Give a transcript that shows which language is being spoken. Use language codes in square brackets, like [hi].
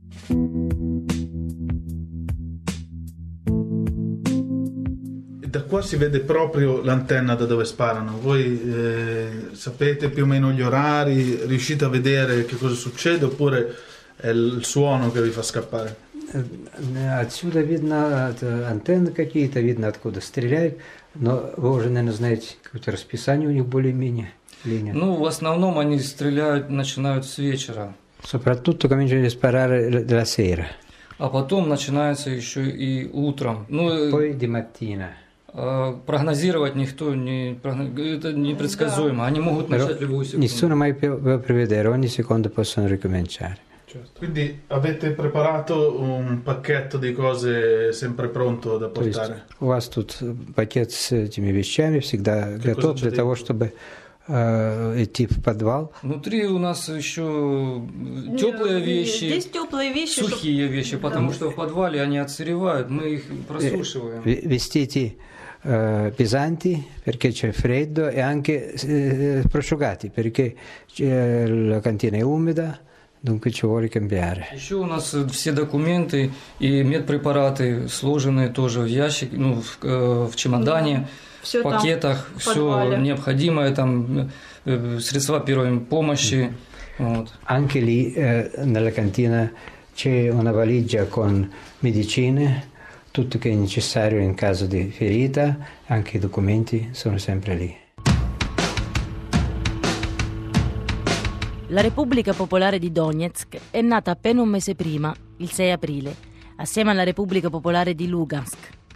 [it] E da qua si vede proprio l'antenna da dove sparano. Voi sapete più o meno gli orari, riuscite a vedere che cosa succede, oppure è il suono che vi fa scappare? [ru] Отсюда видно, антенны какие-то, видно, откуда стреляют, но вы уже, наверное, знаете, какое-то расписание у них более-менее, линия. Ну, в основном они стреляют, начинают с вечера. [it] Soprattutto cominciano a sparare della sera. [ru] А потом начинается еще и утром. Ну, [it] poi di mattina. [ru] Прогнозировать никто не... Это непредсказуемо. Они могут начать любую секунду. [it] Nessuno mai può prevedere, ogni secondo possono ricominciare. Certo. Quindi avete preparato un pacchetto di cose sempre pronto da portare? [ru] То есть, у вас тут пакет с этими вещами всегда che готов для того, чтобы идти в подвал. Внутри у нас еще теплые вещи, здесь теплые вещи, сухие чтоб... вещи, потому да. что в подвале они отсыревают, мы их просушиваем. [it] Vestiti pesanti perché c'è freddo e anche prosciugati perché la cantina è umida. Dunque ci vuole cambiare. [ru] Еще у нас все документы и медпрепараты сложены тоже в ящик, ну, в чемодане, в пакетах, там, все необходимое, там средства первой помощи. Вот. [it] Anche lì nella cantina c'è una valigia con medicine, tutto che è necessario in caso di ferita, anche i documenti sono sempre lì. La Repubblica Popolare di Donetsk è nata appena un mese prima, il 6 aprile, assieme alla Repubblica Popolare di Lugansk.